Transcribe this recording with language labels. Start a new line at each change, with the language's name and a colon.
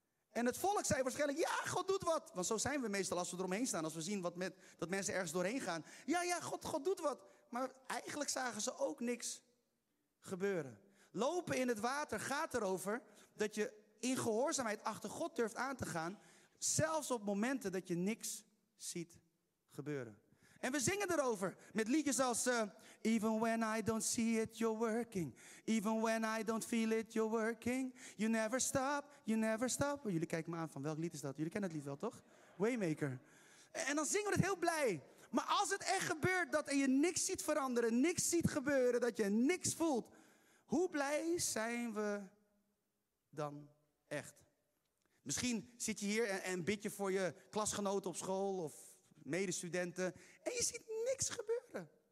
Dutch: En het volk zei waarschijnlijk, ja, God doet wat. Want zo zijn we meestal als we eromheen staan. Als we zien dat mensen ergens doorheen gaan. Ja, God doet wat. Maar eigenlijk zagen ze ook niks gebeuren. Lopen in het water gaat erover dat je in gehoorzaamheid achter God durft aan te gaan. Zelfs op momenten dat je niks ziet gebeuren. En we zingen erover met liedjes als,
English: even when I don't see it, you're working. Even when I don't feel it, you're working. You never stop, you never stop.
Dutch: Oh, jullie kijken me aan van welk lied is dat? Jullie kennen het lied wel, toch? Waymaker. En dan zingen we het heel blij. Maar als het echt gebeurt dat je niks ziet veranderen, niks ziet gebeuren, dat je niks voelt. Hoe blij zijn we dan echt? Misschien zit je hier en bid je voor je klasgenoten op school of medestudenten en je ziet niks gebeuren.